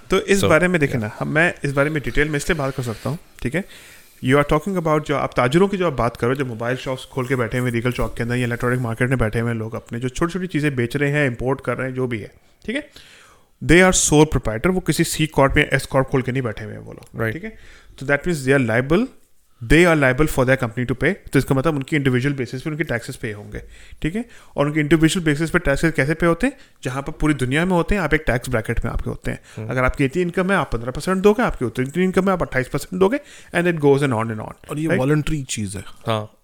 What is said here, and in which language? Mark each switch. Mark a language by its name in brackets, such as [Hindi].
[Urdu] تو اس بارے میں دیکھیں نا, میں اس بارے میں ڈیٹیل میں اس لیے بات کر سکتا ہوں, ٹھیک ہے. [English] you are talking about [Urdu] جو آپ تاجروں کی جو آپ بات کرو, جو موبائل شاپس کھول کے بیٹھے ہوئے ریگل چوک کے اندر یا الیکٹرانک مارکیٹ میں بیٹھے ہوئے لوگ اپنے جو چھوٹی چھوٹی چیزیں بیچ رہے ہیں, امپورٹ کر رہے ہیں, جو بھی ہے, ٹھیک ہے, [English] they are sole proprietor, [Urdu] وہ کسی سی کارپ میں ایس کارپ کھول کے نہیں بیٹھے ہوئے ہیں وہ لوگ, ٹھیک ہے. [English] تو that means they are liable, they are liable for their company to pay. [Urdu] تو اس کا مطلب ان کی انڈیویجل بیسس پہ ان کے ٹیکسز پے ہوں گے, ٹھیک ہے. اور ان کے انڈیویجل بیسس پہ ٹیکسز کیسے پے ہوتے ہیں, جہاں پر پوری دنیا میں ہوتے ہیں, آپ ایک ٹیکس بریکٹ میں آپ کے ہوتے ہیں. اگر آپ کی اتنی انکم ہے آپ 15% دو گے, آپ کی اتنی انکم ہے آپ 28% دو گے, [English] and it goes and on [Urdu] and on. اور یہ والنٹری چیز ہے, ہاں